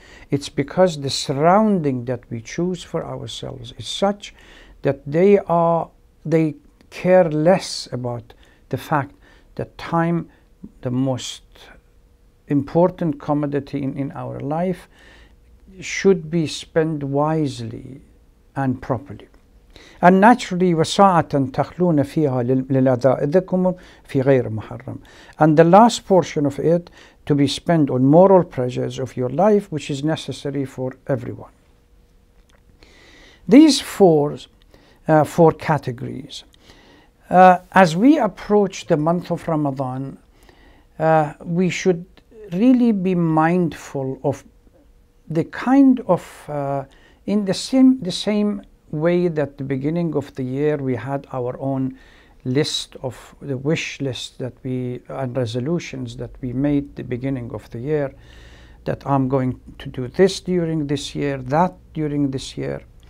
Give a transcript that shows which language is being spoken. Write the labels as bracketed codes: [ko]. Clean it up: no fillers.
[en] It's because the surrounding that we choose for ourselves is such that they care less about the fact that time, the most important commodity in our life should be spent wisely and properly. And naturally, [ar] وَسَاعَةً تَخْلُونَ فِيهَا لِلْأَذَائِذَكُمْ فِي غَيْرِ مُحَرَّمٍ. [en] And the last portion of it to be spent on moral pleasures of your life, which is necessary for everyone. These four categories. As we approach the month of Ramadan, we should really be mindful of the kind of, in the same way that the beginning of the year we had our own list of the wish list that we and resolutions that we made the beginning of the year, that I'm going to do this during this year, that during this year.